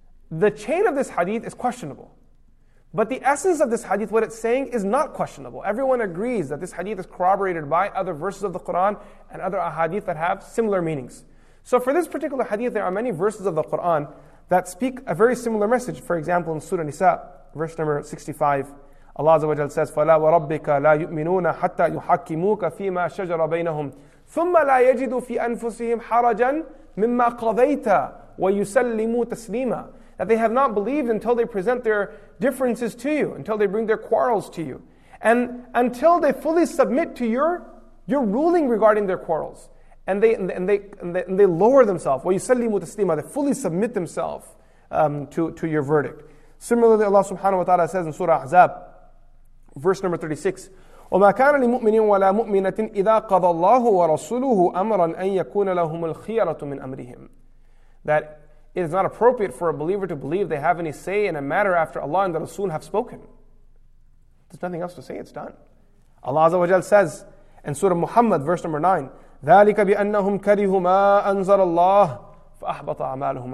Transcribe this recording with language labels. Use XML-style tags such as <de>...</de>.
<en>The chain of this hadith is questionable. But the essence of this hadith, what it's saying, is not questionable. Everyone agrees that this hadith is corroborated by other verses of the Quran and other ahadith that have similar meanings. So for this particular hadith, there are many verses of the Quran that speak a very similar message. For example, in Surah Nisa, verse number 65, Allah Azza wa Jalla says,</en> <ar>فَلَا وَرَبِّكَ لَا يُؤْمِنُونَ حَتَّى يُحَكِّمُوكَ فِي مَا شَجَرَ بَيْنَهُمْ ثُمَّ لَا يَجِدُوا فِي أَنفُسِهِمْ حَرَجًا مِمَّا قَضَيْتَ وَيُسَلِّمُوا تَسْلِيمًا.</ar> <en>That they have not believed until they present their differences to you, until they bring their quarrels to you, and until they fully submit to your ruling regarding their quarrels. And they lower themselves.</en> <ar>وَيُسَلِّمُوا تَسْلِيمًا.</ar> <en>They fully submit themselves to your verdict. Similarly, Allah subhanahu wa ta'ala says in Surah Ahzab, verse number 36,</en> <ar>وَمَا كَانَ لِمُؤْمِنٍ وَلَا مُؤْمِنَةٍ إِذَا قَضَى اللَّهُ وَرَسُولُهُ أَمْرًا أَن يَكُونَ لَهُمُ الْخِيَرَةُ مِنْ أَمْرِهِمْ.</ar> <en>That it is not appropriate for a believer to believe they have any say in a matter after Allah and the Rasul have spoken. There's nothing else to say, it's done. Allah Azza wa Jal says in Surah Muhammad, verse number 9,</en> <ar>ذَلِكَ بِأَنَّهُمْ كَرِهُ مَا أَنزَلَ اللَّهُ فَأَحْبَطَ أَعْمَالُهُمْ.</ar>